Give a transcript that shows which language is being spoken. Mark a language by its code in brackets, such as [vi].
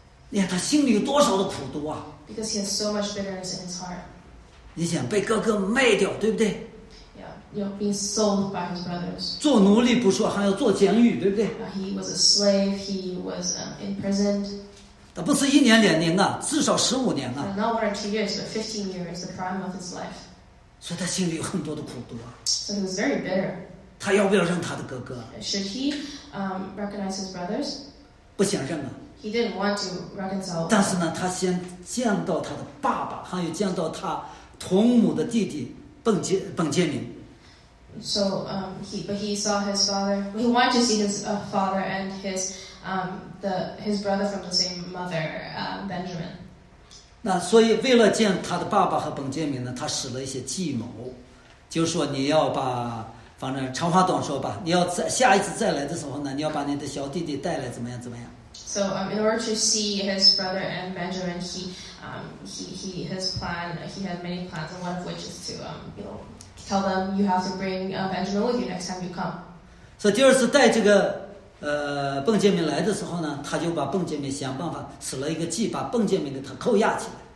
[zh] 你看他心里有多少的苦毒啊 [en] ！Because he has so much bitterness in his heart. [zh] 你想被哥哥卖掉，对不对 [en] ？Yeah, you're being sold by his brothers. [zh] 做奴隶不说，还要做监狱，对不对 [en] ？He was a slave. He was imprisoned. [zh] 他不是一年两年啊，至少十五年啊 [en] ！Not one or two years, but 15 years, the prime of his life. [zh] 所以他心里有很多的苦毒啊。 [en] So he was very bitter. [zh] 他要不要认他的哥哥 [en] ？Should he recognize his brothers? [zh] 不想认啊。 [en] He didn't want to reconcile. [zh] 但是呢，他先见到他的爸爸，还有见到他同母的弟弟本杰明。 [en] So he saw his father. He wanted to see his father and his brother from the same mother, Benjamin. [zh] 那所以为了见他的爸爸和本杰明呢，他使了一些计谋，就是说你要把，反正长话短说吧，你要再下一次再来的时候呢，你要把你的小弟弟带来，怎么样 [en] ？So in order to see his brother and Benjamin, he had many plans, and one of which is to tell them you have to bring Benjamin with you next time you come. [zh] 所以第二次带这个。本杰明来的时候呢，他就把本杰明想办法使了一个计，把本杰明给他扣押起来。